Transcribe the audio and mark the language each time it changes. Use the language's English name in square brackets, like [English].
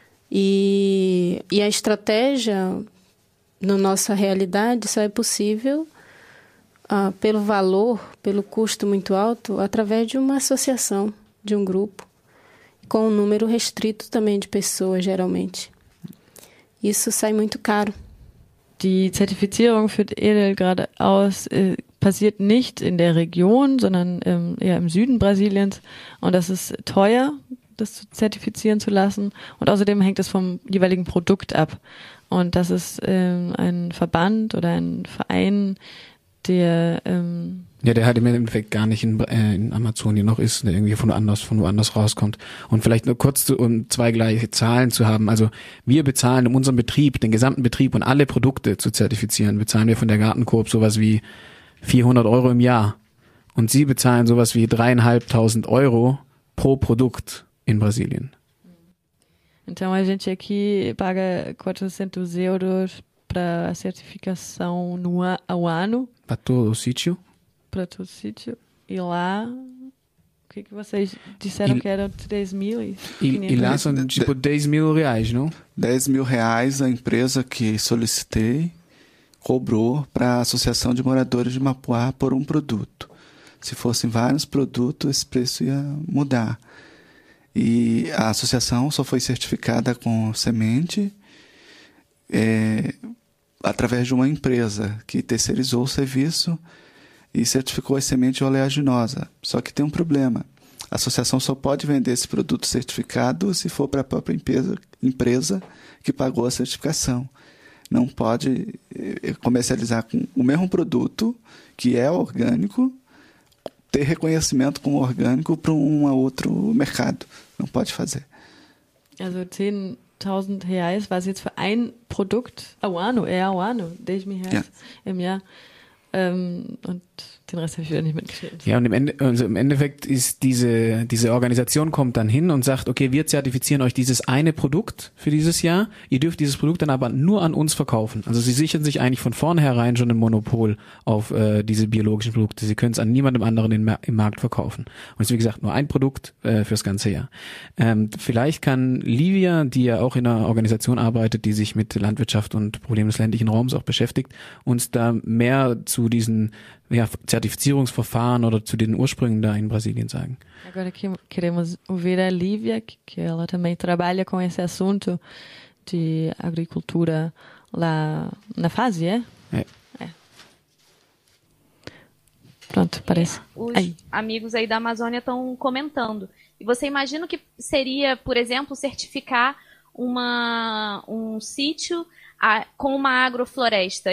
[Portuguese] E a estratégia, na nossa realidade, só é possível pelo valor, pelo custo muito alto, através de uma associação, de um grupo. Com um número restrito também de pessoas, geralmente. Isso sai muito caro. [German] Die Zertifizierung für Edel geradeaus passiert nicht in der Region, sondern eher im Süden Brasiliens. Und das ist teuer, das zu zertifizieren zu lassen. Und außerdem hängt es vom jeweiligen Produkt ab. Und das ist ein Verband oder ein Verein, der... Ja, der halt im Endeffekt gar nicht in Amazonien noch ist, der irgendwie von woanders rauskommt. Und vielleicht nur kurz, um zwei gleiche Zahlen zu haben. Also wir bezahlen, um unseren Betrieb, den gesamten Betrieb und alle Produkte zu zertifizieren, bezahlen wir von der Gartenkoop sowas wie 400 Euro im Jahr. Und sie bezahlen sowas wie 3.500 Euro pro Produkt in Brasilien. [Portuguese] Então a gente aqui paga 400 Euro para a certificação no ao ano. Para todo o sítio. Para todo o sítio. E lá, o que vocês disseram que eram 3 mil? E lá são tipo 10 mil reais, não? 10 mil reais a empresa que solicitei cobrou para a Associação de Moradores de Mapuá por um produto. Se fossem vários produtos, esse preço ia mudar. E a associação só foi certificada com semente através de uma empresa que terceirizou o serviço e certificou a semente oleaginosa. Só que tem um problema. A associação só pode vender esse produto certificado se for para a própria empresa que pagou a certificação. Não pode comercializar com o mesmo produto, que é orgânico, ter reconhecimento como orgânico para um outro mercado. Não pode fazer. [German] Also, 10.000 reais, was jetzt für ein Produkt [Portuguese] ao ano, é ao ano, [German] 10.000 reais im Jahr. Und den Rest habe ich wieder nicht mitgeschrieben. Ja, und im Endeffekt ist diese Organisation kommt dann hin und sagt, okay, wir zertifizieren euch dieses eine Produkt für dieses Jahr, ihr dürft dieses Produkt dann aber nur an uns verkaufen. Also sie sichern sich eigentlich von vornherein schon ein Monopol auf diese biologischen Produkte. Sie können es an niemandem anderen im Markt verkaufen. Und es ist, wie gesagt, nur ein Produkt fürs ganze Jahr. Vielleicht kann Livia, die ja auch in einer Organisation arbeitet, die sich mit Landwirtschaft und Problemen des ländlichen Raums auch beschäftigt, uns da mehr zu diesen Zertifizierungsverfahren oder zu den Ursprüngen da in Brasilien sagen. [Portuguese] Agora queremos ouvir a Lívia, que ela também trabalha com esse assunto de agricultura lá na fase, é? É. Pronto, parece. Os amigos aí da Amazônia estão comentando. E você imagina que seria, por exemplo, certificar um sítio com uma agrofloresta.